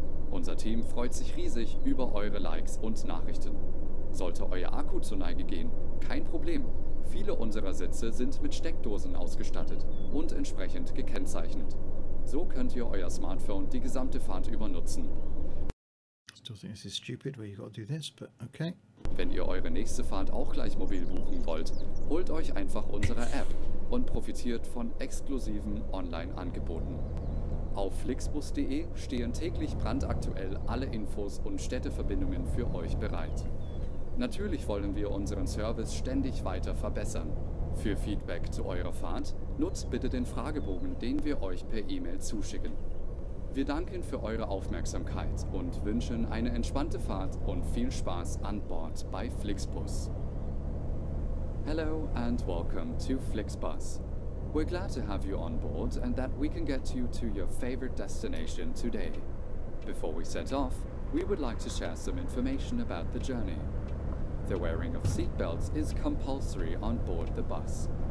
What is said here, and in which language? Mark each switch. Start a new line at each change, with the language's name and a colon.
German: Unser Team freut sich riesig über eure Likes und Nachrichten. Sollte euer Akku zur Neige gehen? Kein Problem. Viele unserer Sitze sind mit Steckdosen ausgestattet und entsprechend gekennzeichnet. So könnt ihr euer Smartphone die gesamte Fahrt über nutzen.
English: Still think this is stupid, where you gotta do this, but okay.
German: Wenn ihr eure nächste Fahrt auch gleich mobil buchen wollt, holt euch einfach unsere App und profitiert von exklusiven Online-Angeboten. Auf flixbus.de stehen täglich brandaktuell alle Infos und Städteverbindungen für euch bereit. Natürlich wollen wir unseren Service ständig weiter verbessern. Für Feedback zu eurer Fahrt nutzt bitte den Fragebogen, den wir euch per E-Mail zuschicken. Wir danken für eure Aufmerksamkeit und wünschen eine entspannte Fahrt und viel Spaß an Bord bei Flixbus.
English: Hello and welcome to Flixbus. We're glad to have you on board and that we can get you to your favorite destination today. Before we set off, we would like to share some information about the journey. The wearing of seatbelts is compulsory on board the bus.